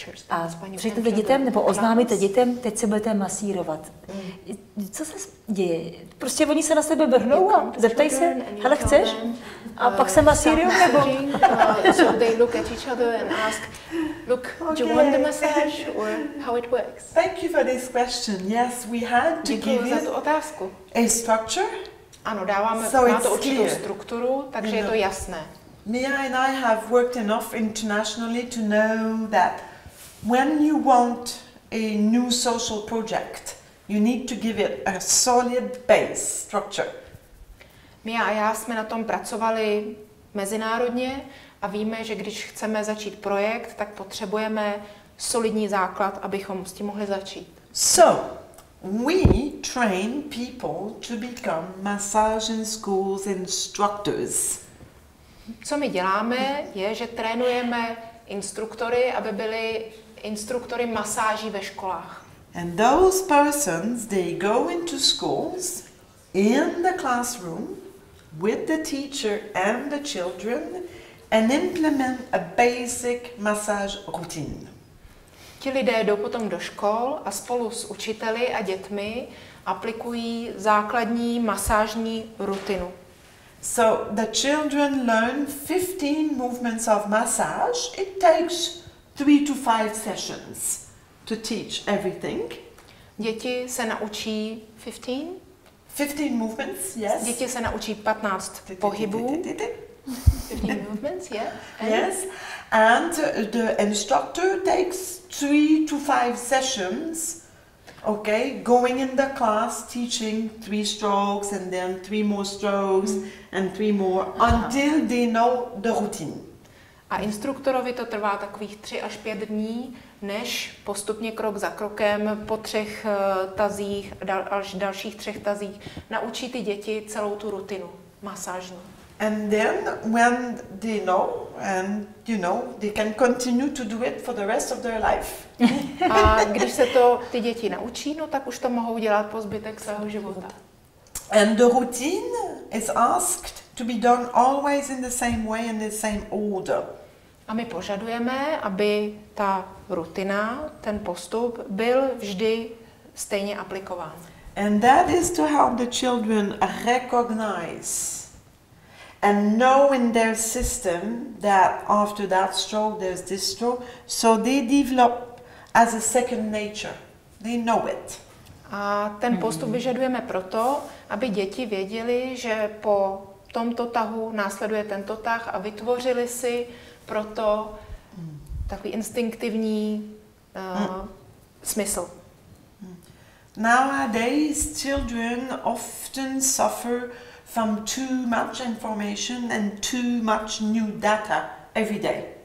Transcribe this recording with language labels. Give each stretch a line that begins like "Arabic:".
Czech: A přijdete dětem, nebo oznámíte dětem, teď se budete masírovat. Co se děje? Prostě oni se na sebe brhnou a zeptají se, hele, chceš? A pak se masírujou, nebo?
English: So they look at each other and ask, look, okay. Do you want the massage or how it works? Thank you for this question. Yes, we had to give it a structure.
Czech: Ano, dáváme, má to určitou strukturu, takže je to jasné.
English: Mia and I have worked enough internationally to know that when you want a new social project, you need to give it a solid base structure.
Czech: Mia a já jsme na tom pracovali mezinárodně a víme, že když chceme začít projekt, tak potřebujeme solidní základ, abychom s tím mohli začít.
English: So, we train people to become massage and schools instructors.
Czech: Co my děláme, je, že trénujeme instruktory, aby byli instruktory masáží ve školách.
English: And those persons, they go into schools in the classroom with the teacher and the children and implement a basic massage routine.
Czech: Ti lidé jdou potom do škol a spolu s učiteli a dětmi aplikují základní masážní rutinu.
English: So the children learn 15 movements of massage. It takes 3 to 5 sessions to teach everything.
Czech: Děti se naučí 15?
English: 15 movements, yes.
Czech: Děti se naučí 15 pohybů.
English: 15 movements, yeah. And yes. And the instructor takes 3 to 5 sessions, okay, going in the class, teaching 3 strokes and then 3 more strokes and 3 more until they know the routine.
Czech: A instruktorovi to trvá takových 3 až 5 dní, než postupně krok za krokem po 3 tazích, až dalších 3 tazích, naučí ty děti celou tu rutinu masážní.
English: And then when they know and you know they can continue to do it for the rest of their life.
Czech: A když se to ty děti naučí, no tak už to mohou dělat po zbytek svého života.
English: And the routine is asked to be done always in the same way in the same order.
Czech: A my požadujeme, aby ta rutina, ten postup byl vždy stejně aplikován.
English: And that is to help the children recognize and know in their system that after that stroke there's this stroke, so they develop as a second nature. They know it.
Czech: A ten postup vyžadujeme proto, aby děti věděli, že po tomto tahu následuje tento tah a vytvořili si proto takový instinktivní smysl.
English: Nowadays children often suffer from too much information and too much new data every day.